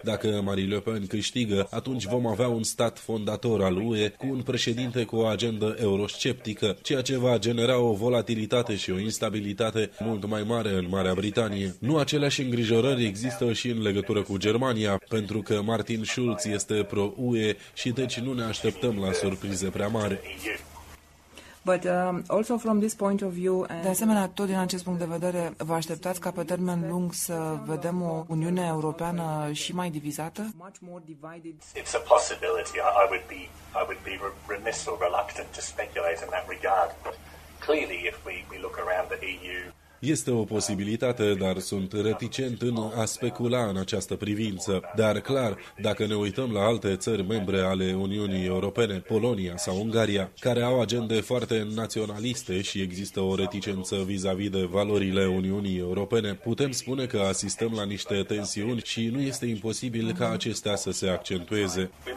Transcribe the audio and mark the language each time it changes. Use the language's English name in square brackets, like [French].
[Romanian] Dacă Marine Le Pen câștigă, atunci vom avea un stat fondator al UE cu un președinte cu o agendă eurosceptică, ceea ce va genera o volatilitate și o instabilitate mult mai mare în Marea Britanie. Nu aceleași îngrijorări există și în legătură cu Germania, pentru că Martin Schulz este pro-UE și deci nu ne așteptăm la surprize prea mari. [English] But also from this point of view, [Romanian] de asemenea, tot din acest punct de vedere, vă așteptați ca pe termen lung să vedem o Uniune Europeană și mai divizată? [English] It's a possibility. I would be remiss or reluctant to speculate in that regard. But clearly if we look around the EU. [Romanian] Este o posibilitate, dar sunt reticent în a specula în această privință. Dar clar, dacă ne uităm la alte țări membre ale Uniunii Europene, Polonia sau Ungaria, care au agende foarte naționaliste și există o reticență vis-a-vis de valorile Uniunii Europene, putem spune că asistăm la niște tensiuni și nu este imposibil ca acestea să se accentueze.